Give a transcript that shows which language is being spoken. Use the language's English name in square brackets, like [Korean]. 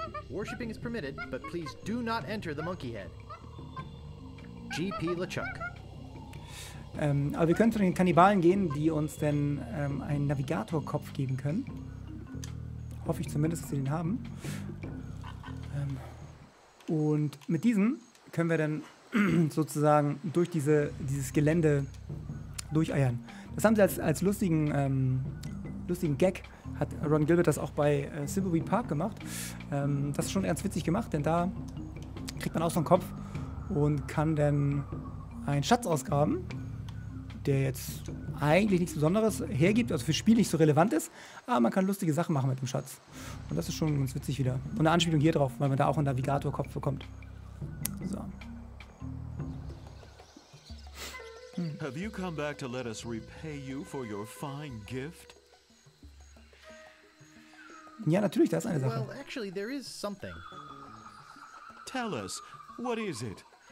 [English] Worshipping is permitted, but please do not enter the monkey head. GP LeChuck. [German] Aber wir können zu den Kannibalen gehen, die uns dann einen Navigatorkopf geben können. Hoffe ich zumindest, dass sie den haben. Und mit diesem können wir dann sozusagen durch dieses Gelände durcheiern. Das haben sie als lustigen Gag, hat Ron Gilbert das auch bei Thimbleweed Park gemacht. Das ist schon ganz witzig gemacht, denn da kriegt man auch so einen Kopf und kann dann einen Schatz ausgraben, der jetzt eigentlich nichts Besonderes hergibt, also für Spiel nicht so relevant ist, aber man kann lustige Sachen machen mit dem Schatz. Und das ist schon ganz witzig wieder. Und eine Anspielung hier drauf, weil man da auch einen Navigator-Kopf bekommt. So. [English] Have you come back to let us repay you for your fine gift? [German] Ja, natürlich, das ist eine Sache. [English] Well, actually, there is something. Tell us, what is it?